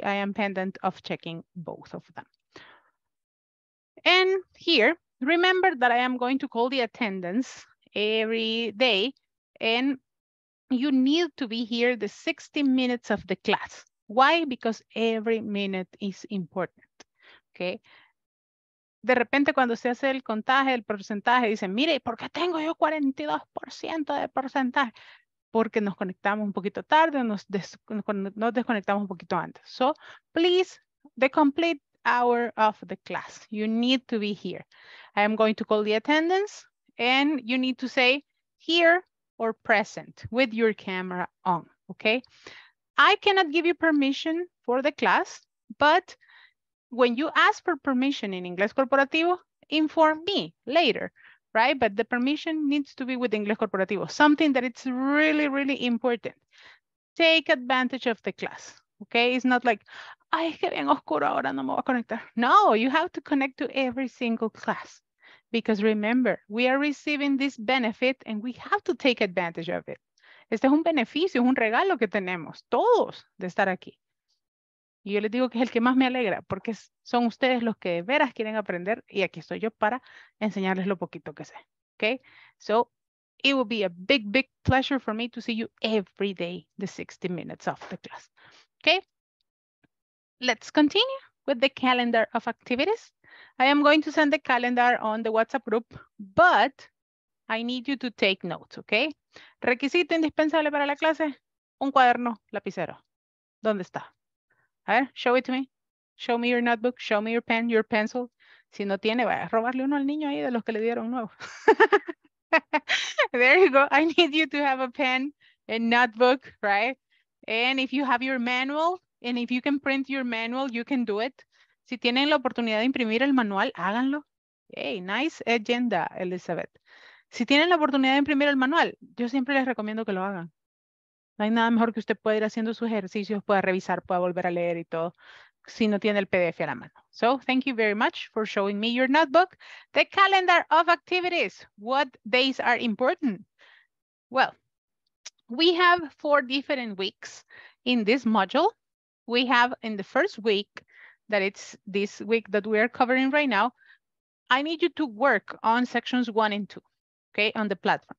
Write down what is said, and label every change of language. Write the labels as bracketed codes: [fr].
[en] I am pendant of checking both of them. And here, remember that I am going to call the attendance every day, and you need to be here the 60 minutes of the class. Why? Because every minute is important. Okay. [es] De repente cuando se hace el contaje, el porcentaje, dicen, mire, ¿por qué tengo yo 42% de porcentaje? Porque nos conectamos un poquito tarde, nos desconectamos un poquito antes. [en] So, please, the complete hour of the class. You need to be here. I am going to call the attendance, and you need to say here or present with your camera on, okay? I cannot give you permission for the class, but when you ask for permission in Inglés Corporativo, inform me later. Right, but the permission needs to be with Inglés Corporativo, something that it's really, really important. Take advantage of the class, okay? It's not like, [es] ay, que bien oscuro, ahora no me voy a conectar. [en] No, you have to connect to every single class because remember, we are receiving this benefit and we have to take advantage of it. [es] Este es un beneficio, es un regalo que tenemos todos de estar aquí. Y yo les digo que es el que más me alegra, porque son ustedes los que de veras quieren aprender, y aquí estoy yo para enseñarles lo poquito que sé, okay? [en] So, it will be a big, big pleasure for me to see you every day, the 60 minutes of the class, okay? Let's continue with the calendar of activities. I am going to send the calendar on the WhatsApp group, but I need you to take notes, okay? [es] Requisito indispensable para la clase, un cuaderno, lapicero. ¿Dónde está? A ver, [en] show it to me. Show me your notebook. Show me your pen, your pencil. [es] Si no tiene, vaya a robarle uno al niño ahí de los que le dieron nuevo. [en] There you go. I need you to have a pen and notebook, right? And if you have your manual, and if you can print your manual, you can do it. [es] Si tienen la oportunidad de imprimir el manual, háganlo. [en] Hey, nice agenda, Elizabeth. [es] Si tienen la oportunidad de imprimir el manual, yo siempre les recomiendo que lo hagan. No hay nada mejor que usted pueda ir haciendo sus ejercicios, pueda revisar, pueda volver a leer y todo, si no tiene el PDF a la mano. [en] So, thank you very much for showing me your notebook. The calendar of activities. What days are important? Well, we have four different weeks in this module. we have in the first week, that it's this week that we are covering right now, I need you to work on sections 1 and 2, okay, on the platform.